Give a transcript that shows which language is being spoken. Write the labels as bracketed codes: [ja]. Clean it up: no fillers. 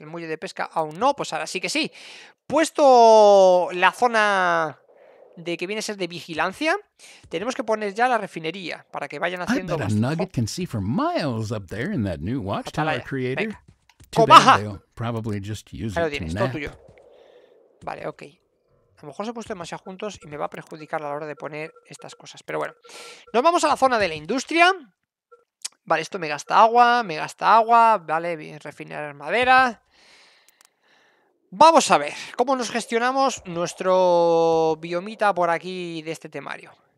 [es] El muelle de pesca aún no, pues ahora sí que sí. Puesto la zona de que viene a ser de vigilancia, tenemos que poner ya la refinería para que vayan haciendo... [en] A nugget can see for miles up there in that new watchtower creator. ¡Comaja! Probably just use it. [es] Ahí lo tienes, todo tuyo. Vale, ok. A lo mejor se ha puesto demasiado juntos y me va a perjudicar a la hora de poner estas cosas. Pero bueno, nos vamos a la zona de la industria. Vale, esto me gasta agua. Vale, bien, refinar madera. Vamos a ver cómo nos gestionamos nuestro biomita por aquí de este temario.